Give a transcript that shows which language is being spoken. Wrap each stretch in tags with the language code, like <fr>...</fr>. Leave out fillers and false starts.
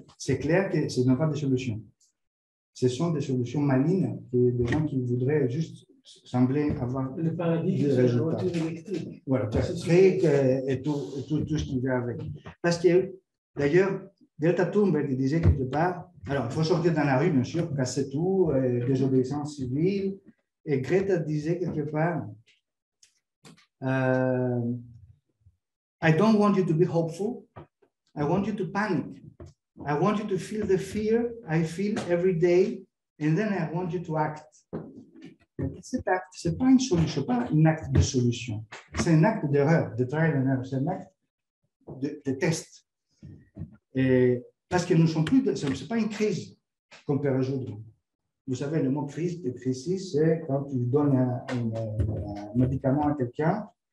<fr>C'est clair que ce n'est pas des solutions. Ce sont des solutions malines des gens qui voudraient juste sembler avoir le paradis de la voiture électrique. Voilà, fric et tout ce qui vient avec. Parce que, d'ailleurs, Greta Thunberg disait quelque part, alors il faut sortir dans la rue, bien sûr, casser tout, désobéissance civile. Et Greta disait quelque part,</fr> <en>I don't want you to be hopeful, I want you to panic. I want you to feel the fear I feel every day, and then I want you to act.</en> <fr>Cet acte, ce n'est pas une solution, pas un acte de solution. C'est un acte d'erreur, de</fr> <en>trial and error,</en> <fr>c'est un acte de test. Et parce que nous ne sommes plus, ce n'est pas une crise qu'on peut résoudre. Vous savez, le mot crise, de crise, c'est quand tu donnes un médicament à quelqu'un.</fr>